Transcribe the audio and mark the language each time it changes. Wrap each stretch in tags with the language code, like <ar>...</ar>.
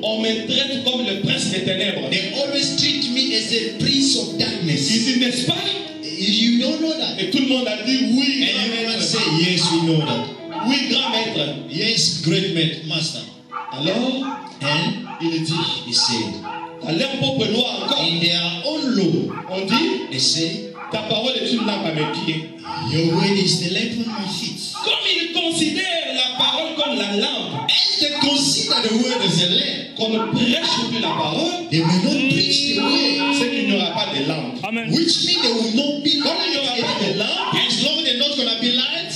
<fr>on me traite comme le prince des ténèbres.</fr> <en>They always treat me as a prince of darkness.</en> <fr>Il dit, n'est-ce pas?</fr> <en>You don't know that.</en> <fr>Et tout le monde a dit oui.</fr> <en>And everyone say yes, we know that.</en> <fr>Oui, grand maître.</fr> <en>Yes, great maître, master.</en> <fr>Alors,</fr> <en>and</en> <fr>il dit,</fr> <en>he said,</en> <fr>dans leur propre loi encore,</fr> <en>in their own law,</en> <fr>on dit,</fr> <en>they say,</en> <fr>ta parole est une lampe à mes pieds.</fr> <en>Your word is the lamp on my feet.</en> <fr>Comme ils considèrent la parole comme la lampe,</fr> <en>as they consider the word as a lamp,</en> <fr>qu'on ne prêche plus la parole,</fr> <en>they will not preach the word.</en> <fr>C'est qu'il n'y aura pas de lampe.</fr> <en>Amen. Which means there will not be light.</en> <fr>Comme il n'y aura pas de lampe,</fr> <en>as long as there's not going to be light,</en>